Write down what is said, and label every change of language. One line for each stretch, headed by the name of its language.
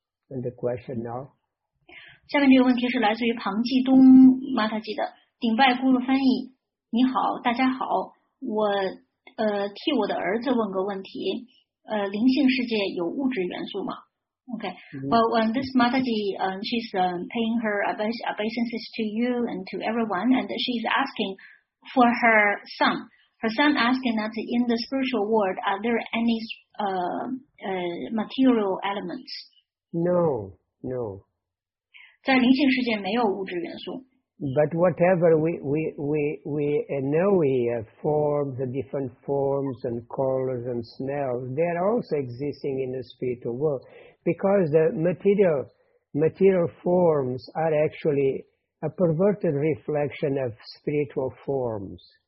English: And the question now?
Chinese: 下面这个问题是来自于庞继东马塔吉的，顶拜咕噜翻译，你好，大家好，我替我的儿子问个问题，灵性世界有物质元素吗 ？OK.
English: Well, when this Mataji, she's paying her obeisances to you and to everyone, and she's asking for her son. Her son asking that in the spiritual world, are there any material elements? No.
Chinese: 在灵性世界没有物质元素。
English: But whatever we know here, forms, the different forms and colors and smells, they are also existing in the spiritual world, because the material forms are actually a perverted reflection of spiritual forms.